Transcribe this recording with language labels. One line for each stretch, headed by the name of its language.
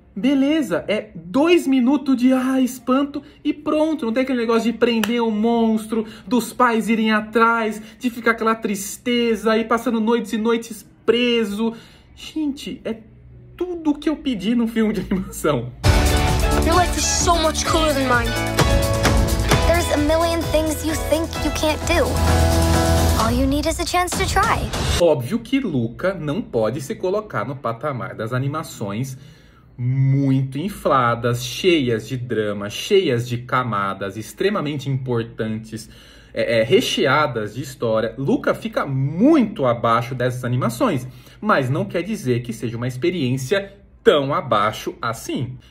Portuguese: Beleza, é 2 minutos de espanto e pronto. Não tem aquele negócio de prender o monstro, dos pais irem atrás, de ficar aquela tristeza e passando noites e noites preso. Gente, é tudo o que eu pedi num filme de animação.
English: Your life is so much cooler than mine. There's a million things you think you can't do. All you need is a chance to try.
Portuguese: Óbvio que Luca não pode se colocar no patamar das animações muito infladas, cheias de drama, cheias de camadas, extremamente importantes, recheadas de história. Luca fica muito abaixo dessas animações, mas não quer dizer que seja uma experiência tão abaixo assim.